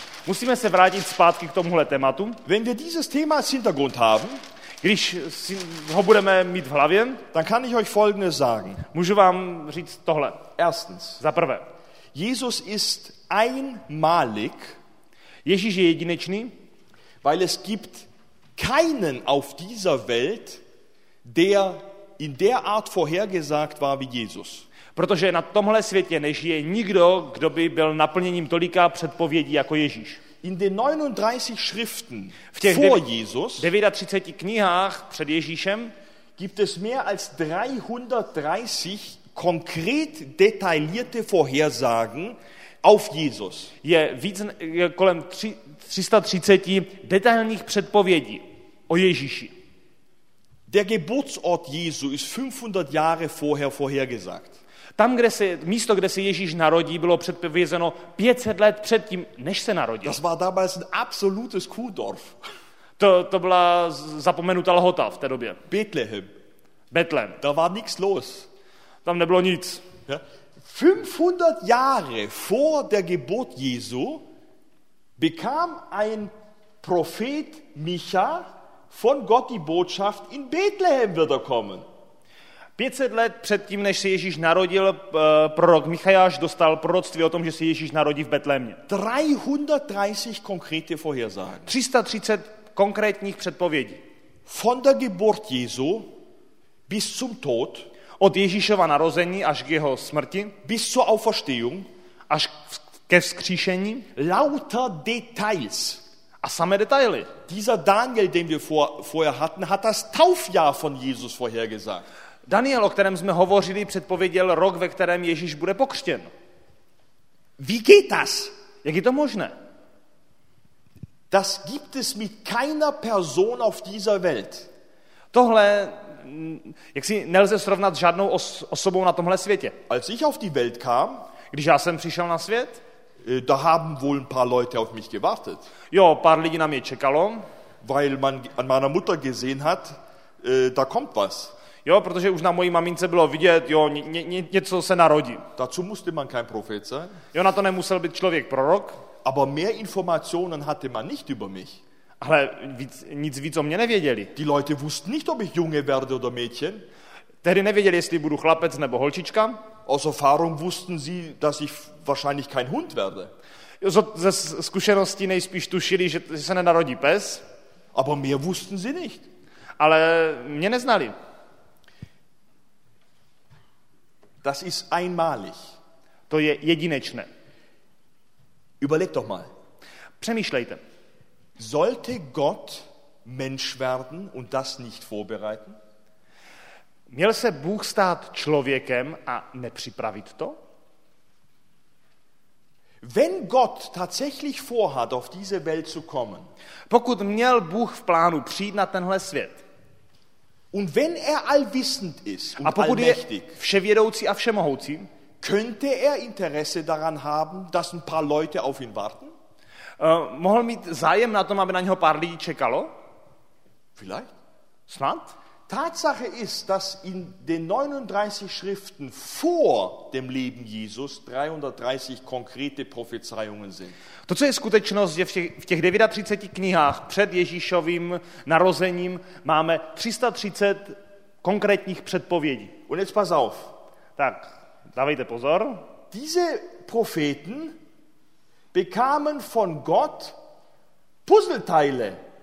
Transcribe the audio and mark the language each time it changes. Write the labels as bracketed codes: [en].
[cs] Musíme se vrátit zpátky k tomuhle tématu. [de] Wenn wir dieses Thema als Hintergrund haben, [cs] když ho budeme mít v hlavě, [de] dann kann ich euch Folgendes sagen. [cs] Můžu vám říct tohle. [de] Erstens. [cs] Zaprvé. [de] Jesus ist einmalig, [cs] Ježíš je jedinečný, [de] weil es gibt keinen auf dieser Welt, der in der Art vorhergesagt war wie Jesus. [cs] Protože na tomhle světě nežije nikdo, kdo by byl naplněním tolika předpovědí jako Ježíš. [de] In den 39 Schriften vor Jesus, [cs] v těch 39 knihách před Ježíšem, [de] gibt es mehr als 330 konkret detaillierte Vorhersagen auf Jesus. [cs] Je víc kolem 330 detailních předpovědí o Ježíši. [de] Der Geburtsort Jesu ist 500 Jahre vorher vorhergesagt. [cs] Tam, kde se, místo, kde se Ježíš narodí, bylo předpovězeno 500 let předtím, než se narodil. [de] Das war damals ein absolutes Kuhdorf. [cs] To byla zapomenutá lhota v té době. [de] Bethlehem. [cs] Bethlehem. [de] Da war nichts los. [cs] Tam nebylo nic. [de] Ja? 500 Jahre vor der Geburt Jesu bekam ein Prophet Micha von Gott die Botschaft, in Bethlehem wird er kommen. [cs] 500 let předtím, než se Ježíš narodil, prorok Michajáš dostal proroctví o tom, že se Ježíš narodí v Betlémě. [de] 330 konkrétně vorhersagen. [cs] 330 konkrétních předpovědí. [de] Von der Geburt Jesu bis zum Tod. [cs] Od Ježíšova narození až k jeho smrti. [de] Bis zur Auferstehung. [cs] Až ke vzkříšení. [de] Lauter Details. [cs] A samé detaily. [de] Dieser Daniel, den wir vorher hatten, hat das Taufjahr von Jesus vorhergesagt. [cs] Daniel, o kterém jsme hovořili, předpověděl rok, ve kterém Ježíš bude pokřtěn. [de] Wie geht das? [cs] Jak je to možné? [de] Das gibt es mit keiner Person auf dieser Welt. [cs] Tohle, jak si nelze srovnat s žádnou osobou na tomhle světě. [de] Als ich auf die Welt kam, [cs] když já jsem přišel na svět, [de] da haben wohl ein paar Leute auf mich gewartet. [cs] Jo, pár lidí na mě čekalo. [de] Weil man an meiner Mutter gesehen hat, da kommt was. [cs] Jo, protože už na mojí mamince bylo vidět, jo, něco se narodí. [de] Dazu musste man kein Prophet sein. [cs] Jo, na to nemusel být člověk prorok. [de] Aber mehr Informationen hatte man nicht über mich. [cs] Ale nic víc o mě nevěděli. [de] Die Leute wussten nicht, ob ich Junge werde oder Mädchen. [cs] Tehdy nevěděli, jestli budu chlapec nebo holčička. [de] Aus Erfahrung wussten sie, dass ich wahrscheinlich kein Hund werde. [cs] Jo, ze zkušenosti nejspíš tušili, že se nenarodí pes. [de] Aber mehr wussten sie nicht. [cs] Ale mě neznali. [de] Das ist einmalig. [cs] To je jedinečné. [de] Überleg doch mal. [cs] Přemýšlejte. [de] Sollte Gott Mensch werden und das nicht vorbereiten? [cs] Měl se Bůh stát člověkem a nepřipravit to? [de] Wenn Gott tatsächlich vorhat auf diese Welt zu kommen. [cs] Pokud měl Bůh v plánu přijít na tenhle svět. [de] Und wenn er allwissend ist und allmächtig. [cs] A vševědoucí a všemohoucí. [de] Könnte er Interesse daran haben, dass ein paar Leute auf ihn warten? [cs] Mohl mít zájem na tom, aby na něho pár lidí čekalo? [de] Vielleicht. [cs] Snad? [de] Tatsache ist, dass in den 39 Schriften vor dem Leben Jesus 330 konkrete Prophezeiungen sind. [cs] To, co je skutečnost, že v těch 39 knihách před Ježíšovým narozením máme 330 konkrétních předpovědí. [de] Und jetzt pass auf. [cs] Tak, dávejte pozor. [de] Diese Propheten bekamen von Gott Puzzleteile.